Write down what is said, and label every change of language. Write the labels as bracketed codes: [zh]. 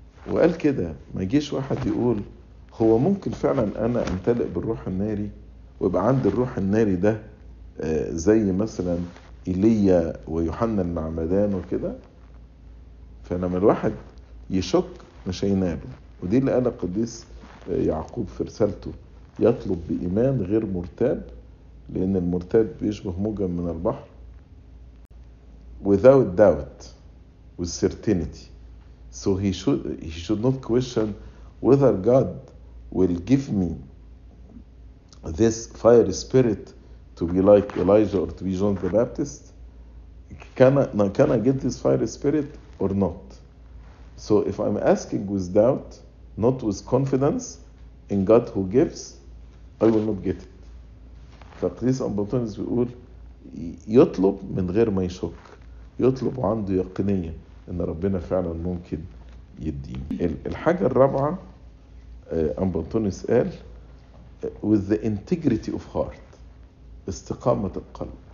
[ar] وقال كده، ما يجيش واحد يقول هو ممكن فعلا أنا أمتلئ بالروح الناري ويبقى عند الروح الناري ده زي مثلا إيليا ويوحنا المعمدان وكده. فلما الواحد يشك مش هيناله، ودي اللي قاله قديس يعقوب في رسالته، يطلب بإيمان غير مرتاب، لأن المرتاب بيشبه موجة من البحر. [en] without doubt with certainty so he should not question whether God will give me this fiery spirit to be like Elijah or to be John the Baptist? Can I get this fiery spirit or not? So if I'm asking with doubt, not with confidence in God who gives, I will not get it. [ar] فقديس أنطونيوس بيقول يطلب من غير ما يشك، يطلب عنده يقينية إن ربنا فعلا ممكن يديه. الحاجة الرابعة أنطونيوس قال [en] with the integrity of heart، [ar] استقامة القلب.